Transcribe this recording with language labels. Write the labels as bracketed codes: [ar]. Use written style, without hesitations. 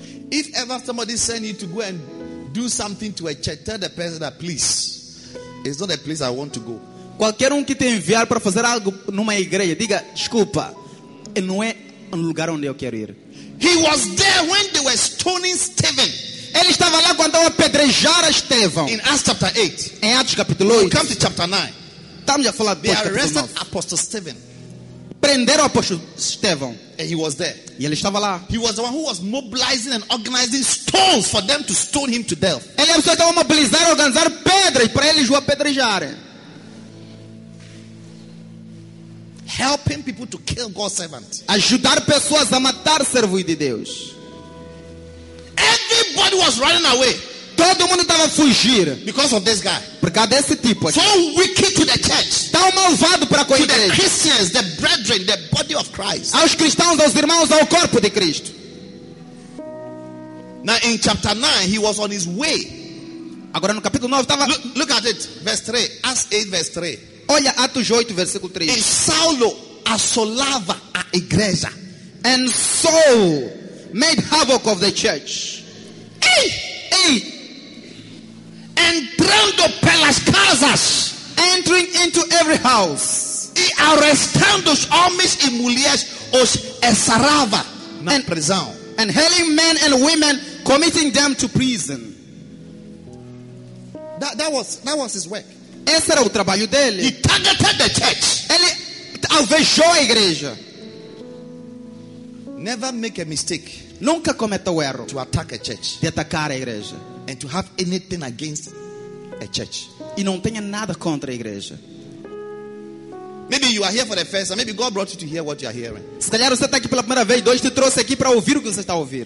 [en] If ever somebody send you to go and do something to a church, tell the person that please, it's not a place I want to go. [pt] Qualquer que te enviar para fazer algo numa igreja, diga desculpa, não é lugar onde eu quero ir. [en] He was there when they were stoning Stephen. [pt] Ele estava lá quando apedrejaram Estevão. [en] In Acts chapter 8. [pt] Em Atos capítulo 8. [en] We come to chapter 9. [pt] Estamos a falar depois, [en] they arrested Apostle Stephen. [pt] Prenderam o apóstolo Estevão. [en] And he was there. [pt] E ele estava lá. [en] He was the one who was mobilizing and organizing stones for them to stone him to death. [pt] Ele é o que estava a mobilizar e organizar pedras para eles o apedrejarem. [en] Helping people to kill God's servant. [pt] Ajudar pessoas a matar servo de Deus. [en] Everybody was running away. [pt] Todo mundo estava a fugir. [en] Because of this guy. [pt] Por causa desse tipo. [en] So wicked to the church. [pt] Tão malvado para com a igreja. [en] To the Christians, the brethren, the body of Christ. [pt] Aos cristãos, aos irmãos, ao corpo de Cristo. [en] Now in chapter 9, he was on his way. [pt] Agora no capítulo 9 estava. [en] Look at it. Verse 3. Acts 8, verse 3. [pt] Olha Atos 8, versículo 3. E Saulo assolava a igreja. [en] And Saul made havoc of the church. Ei! Ei! [pt] Entrando pelas casas. [en] Entering into every house. [pt] E arrestando os homens e mulheres os ensarava na prisão. [en] And hailing men and women, committing them to prison. That was his work. [pt] Esse era o trabalho dele. [en] He targeted the church. [pt] Ele alvejou a igreja. [en] Never make a mistake. [pt] Nunca cometa o erro. [en] To attack a church. [pt] De atacar a igreja. [en] And to have anything against a church. [pt] E não tenha nada contra a igreja. [en] Maybe you are here for the first time. Maybe God brought you to hear what you are hearing. [pt] Se calhar você está aqui pela primeira vez. Deus te trouxe aqui para ouvir o que você está ouvindo.